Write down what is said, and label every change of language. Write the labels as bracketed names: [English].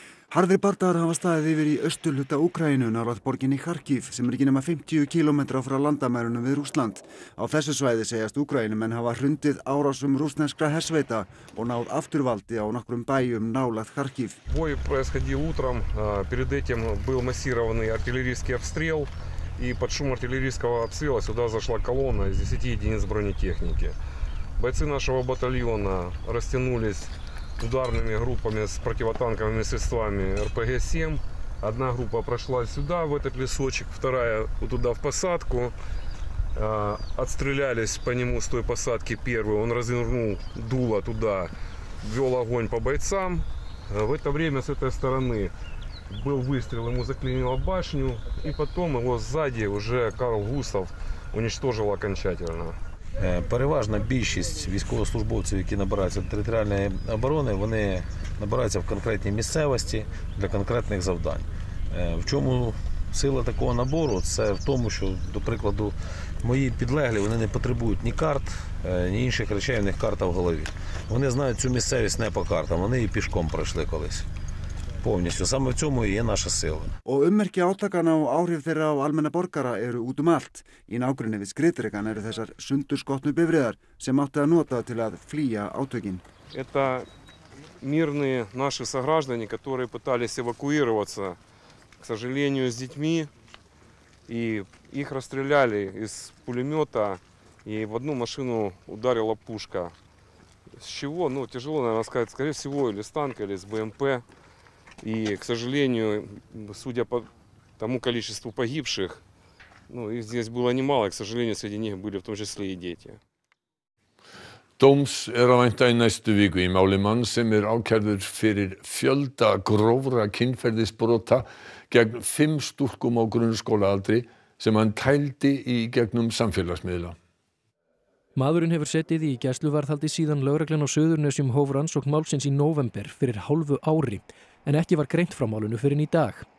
[Icelandic] Harðir bardagar hafa staðið yfir í austurhluta Úkraínu nálægt borginni Kharkiv sem er ekki nema 50 km frá landamærunum við Rússland. Á þessu svæði segjast Úkraínumenn hafa hrundið árásum rússneskra hersveita og náð afturvaldi á nokkrum bæjum nálægt Kharkiv. [Russian] Бой происходил утром, перед этим был массированный артиллерийский обстрел и под шум артиллерийского обстрела сюда зашла колонна из 10 единиц бронетехники. Бойцы нашего батальона растянулись ударными группами с противотанковыми средствами РПГ-7 Одна группа прошла сюда, в этот лесочек, вторая вот туда, в посадку. Отстрелялись по нему с той посадки первую. Он развернул дуло туда, вел огонь по бойцам. В это время с этой стороны был выстрел, ему заклинило башню. И потом его сзади уже Карл Густав уничтожил окончательно. [Ukrainian] Переважна більшість військовослужбовців, які набираються до територіальної оборони, вони набираються в конкретній місцевості для конкретних завдань. В чому сила такого набору? Це в тому, що, до прикладу, мої підлеглі, вони не потребують ні карт, ні інших речей, у них карта в голові. Вони знають цю місцевість не по картам, вони і пішком пройшли колись. Повністю. Саме в цьому і є наша сила. [Icelandic] Og ummerki átakana og áhrif þeirra á almenna borgara eru út allt. Í nágrunni við skriðdrekan eru þessar sundurskotnu bifreiðar sem átti að nota til að flýja átökin. [Russian] Это мирные наши сограждане, которые пытались эвакуироваться, к сожалению, с детьми, и их расстреляли из пулемета, и в одну машину ударила пушка. С чего? Ну, тяжело, наверное, сказать, скорее всего, или с танка, или с БМП. И, к сожалению, судя по тому количеству погибших, ну, их здесь было немало, к сожалению, среди них были в том числе и дети. [Icelandic] Dóms að vænta í næstu viku í máli mann sem ákærður fyrir fjölda grófra kynferðisbrota gegn fimm stúlkum á grunnskólaaldri sem hann tældi í gegnum samfélagsmiðla. Maðurinn hefur setið í gæsluvarðhaldi síðan lögreglan á Suðurnesjum hóf rannsókn málsins í nóvember fyrir hálfu ári, en ekki var greint frá málinu fyrir í dag.